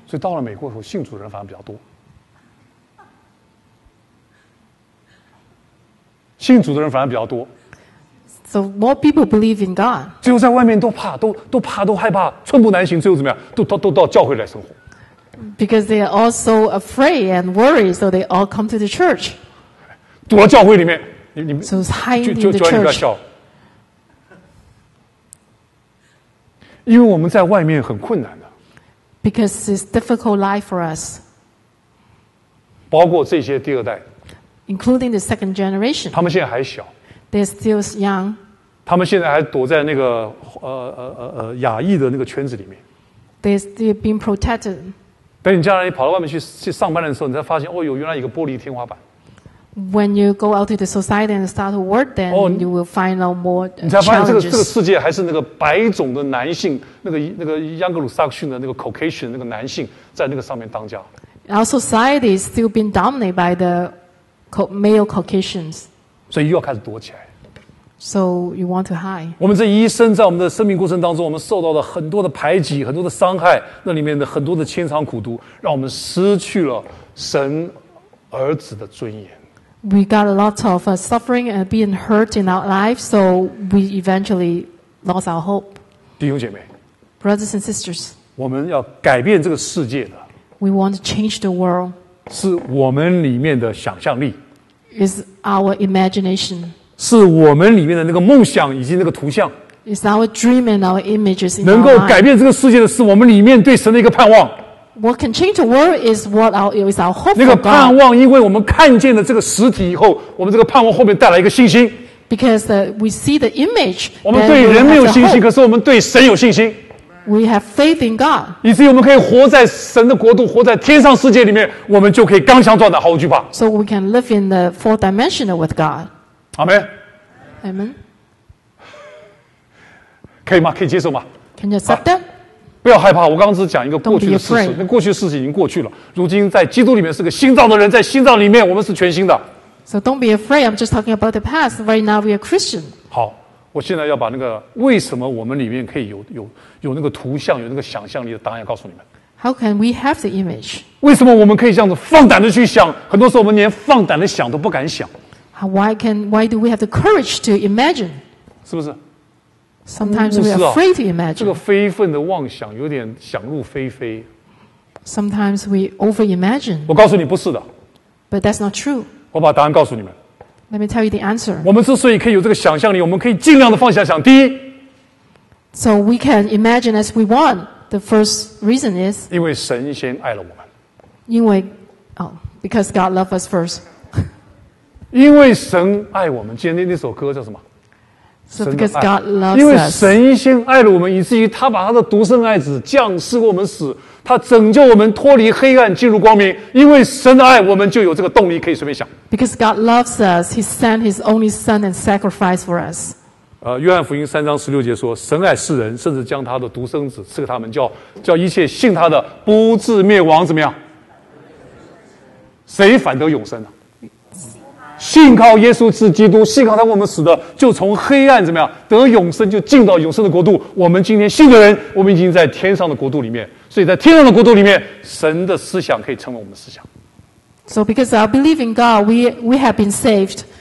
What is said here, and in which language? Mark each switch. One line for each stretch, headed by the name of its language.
Chinese: 所以到了美国以后，信主的人反而比较多。信主的人反而比较多。
English: So more people believe in God.
Chinese: 最后在外面都怕，都害怕，寸步难行。最后怎么样？都到教会来生活。
English: Because they are all so afraid and worried, so they all come to the church.
Chinese: 躲到教会里面，你们
English: so it's hiding in the church.
Chinese: 就你不要笑，因为我们在外面很困难的。
English: Because it's difficult life for us.
Chinese: 包括这些第二代
English: ，including the second generation.
Chinese: 他们现在还小。
English: They're still young.
Chinese: 他们现在还躲在那个亚裔的那个圈子里面。
English: They're still being protected.
Chinese: 等你将来你跑到外面去上班的时候，你才发现哦，有原来一个玻璃天花板。
English: When you go out to the society and start to work, then you will find out more challenges.
Chinese: 你才发现这个世界还是那个白种的男性，那个盎格鲁撒克逊的那个 Caucasian 那个男性在那个上面当家。
English: Our society is still being dominated by the male Caucasians.
Chinese: 所以又要开始躲起来。
English: So you want to hide.
Chinese: 我们这一生在我们的生命过程当中，我们受到了很多的排挤，很多的伤害，那里面的很多的牵肠苦毒，让我们失去了神儿子的尊严。
English: We got a lot of suffering and being hurt in our life, so we eventually lost our hope.
Chinese: 弟兄姐妹
English: ，Brothers and sisters，
Chinese: 我们要改变这个世界的。
English: We want to change the world.
Chinese: 是我们里面的想象力。
English: Is our imagination.
Chinese: 是我们里面的那个梦想以及那个图像。
English: Is our dream and our images.
Chinese: 能够改变这个世界的是我们里面对神的一个盼望。
English: What can change the world is what is our hope for God.
Chinese: 那个盼望，因为我们看见了这个实体以后，我们这个盼望后面带来一个信心。
English: Because we see the image.
Chinese: 我们对人没有信心，可是我们对神有信心。
English: We have faith in God.
Chinese: 以至于我们可以活在神的国度，活在天上世界里面，我们就可以刚强壮胆，毫无惧怕。
English: So we can live in the fourth dimension with God. Amen. Amen.
Chinese: 可以吗？可以接受吗
English: ？Can you accept that?、
Chinese: 啊、不要害怕，我刚刚只是讲一个过去的事实。那过去的事情已经过去了，如今在基督里面是个新造的人，在新造里面我们是全新的。
English: So don't be afraid. I'm just talking about the past. Right now we are Christian.
Chinese: 好。我现在要把那个为什么我们里面可以有那个图像，有那个想象力的答案要告诉你们。
English: How can we have the image?
Chinese: 为什么我们可以这样子放胆的去想？很多时候我们连放胆的想都不敢想。
English: Why do we have the courage to imagine?
Chinese: 是不是？
English: Sometimes we are afraid to imagine.
Chinese: 这个非分的妄想有点想入非非。
English: Sometimes we overimagine.
Chinese: 我告诉你不是的。
English: But that's not true.
Chinese: 我把答案告诉你们。
English: Let me tell you the answer.
Chinese: 我们之所以可以有这个想象力，我们可以尽量的放下想。第一。
English: So we can imagine as we want. The first reason is.
Chinese: 因为神先爱了我们。因为哦、
English: oh, because God loved us first.
Chinese: 因为神爱我们，今天那首歌叫什么？
English: So、because God loves us.
Chinese: 因为神先爱了我们，以至于他把他的独生爱子降世为我们死，他拯救我们脱离黑暗进入光明。因为神的爱，我们就有这个动力可以随便想。
English: Because God loves us, He sent His only Son and sacrificed for us.
Chinese: 约翰福音三章十六节说：“神爱世人，甚至将他的独生子赐给他们，叫一切信他的不至灭亡。” 怎么样？谁反得永生呢、啊？信靠耶稣是基督，信靠他为我们死的，就从黑暗怎么样得永生，就进到永生的国度。我们今天信的人，我们已经在天上的国度里面，所以在天上的国度里面，神的思想可以成为我们的思想。
English: So because I believe in God, we have been saved.